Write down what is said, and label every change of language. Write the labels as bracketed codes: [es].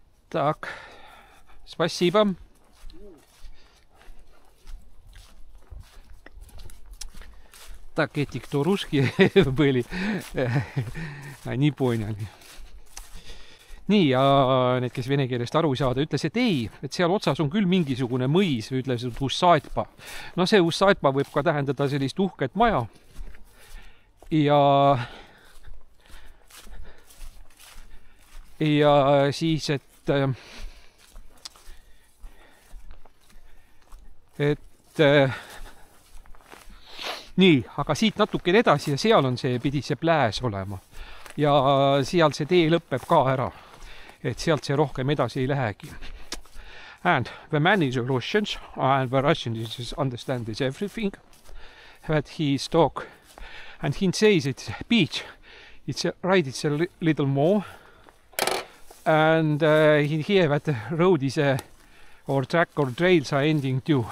[ru] Так. Спасибо. Так, эти, кто русские были, они поняли. [et] Nii, ja need, kes vene keelest aru ei saada, ütles, et ei, et seal otsas on küll mingisugune mõis, ütles, et usaitpa. No see usaitpa võib ka tähendada sellist uhket maja. Ja siis, et nii, aga siit natuke edasi ja seal on see, pidi see pläes olema. Ja seal see tee lõpeb ka ära. Et sealt see rohkem edasi ei lähegi. [en] And the man is a Russian, and the Russian is understands everything that he is talk. And he says it's a beach. It's a, right, it's a little more. And he hear that the road is a or track or trails are ending too.